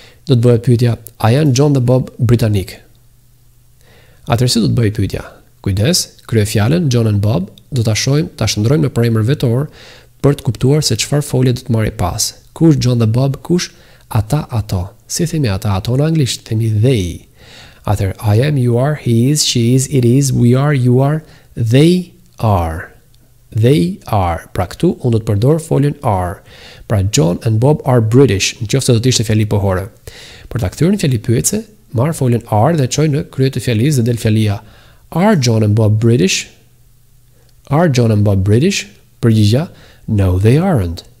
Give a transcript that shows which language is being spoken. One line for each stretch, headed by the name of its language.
Albanian: Do të bëhet pyetja, a janë John dhe Bob britanik? Atëherë si do të bëj pyetja? Kujdes, kryefjalën John and Bob do ta shohim, ta shndrojmë në përëmër vetor për të kuptuar se çfarë folje do të marrë pas. Kush John dhe Bob, kush ata ato? Si themi ata ato në anglisht? Themi they.
English: Atër, I am, you are, he is, she is, it is, we are, you are, they are. They are.
Albanian: Pra këtu, unë do të përdor foljen are. Pra
English: John and Bob are British,
Albanian: në qoftë do të ishte fjali pohore. Për ta kthyer në fjali pyetëse, marr foljen are dhe çoj në krye të fjalisë dhe del fjalia
English: are John and Bob British? Are John and Bob British?
Albanian: Përgjigja,
English: no, they aren't.